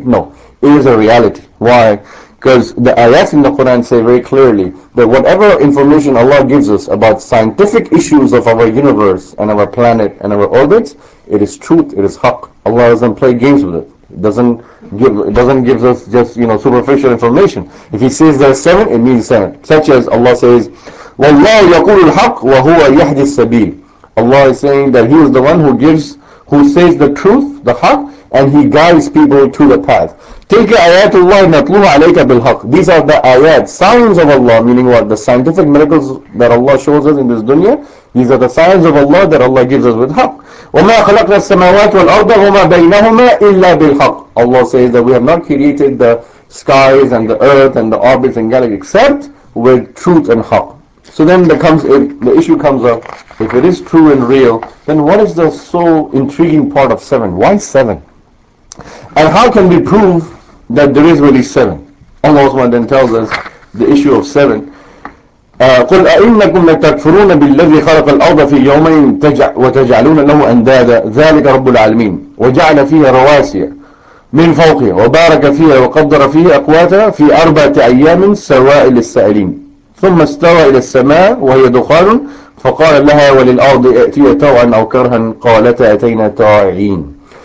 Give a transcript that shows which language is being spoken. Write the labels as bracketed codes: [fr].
[en] No, it is a reality. Why? Because the ayats in the Quran say very clearly that whatever information Allah gives us about scientific issues of our universe and our planet and our orbits, it is truth, it is haqq. Allah doesn't play games with it. It doesn't give us just, you know, superficial information. If he says there are seven, it means seven. Such as Allah says, [ar] وَاللَّهُ يَقُولُ الْحَقِّ وَهُوَ يَهْدِ السَّبِيلِ. [en] Allah is saying that he is the one who says the truth, the haqq, and he guides people to the path. [ar] تِلْكَ آيَاتُ اللَّهِ نَطْلُوهَ عَلَيْكَ بِالْحَقِّ. [en] These are the ayat, signs of Allah, meaning what? The scientific miracles that Allah shows us in this dunya, these are the signs of Allah that Allah gives us with haqq. [ar] وَمَا خَلَقْنَا السَّمَاوَاتُ وَالْأَرْضَ وَمَا بَيْنَهُمَا إِلَّا بِالْحَقِّ. [en] Allah says that we have not created the skies and the earth and the orbits and galaxies except with truth and haqq. So then the issue comes up, if it is true and real, then what is the so intriguing part of seven? Why seven? And how can we prove that there is really seven? Allah Subhanahu then tells us the issue of seven. [ar] قُلْ أَإِنَّكُمْ لَتَكْفُرُونَ بِالَّذِي خَلَقَ الْأَرْضَ فِي يَوْمَيْنِ وَتَجْعَلُونَ لَهُ أَنْدَادًا ذَلِكَ رَبُّ الْعَالَمِينَ وَجَعَلَ فِيهَا رَوَاسِيَ مِنْ فَوْقِهَا وَبَارَكَ فِيهَا وَقَدَّرَ فِيهَا أَقْوَاتَهَا فِي أَرْبَعَةِ أَيَّامٍ سَوَاءً لِلسَّائِلِينَ ثم استوى الى السماء وهي دخان فقال لها وللارض ائتيا طوعا او كرها قالتا اتينا طائعين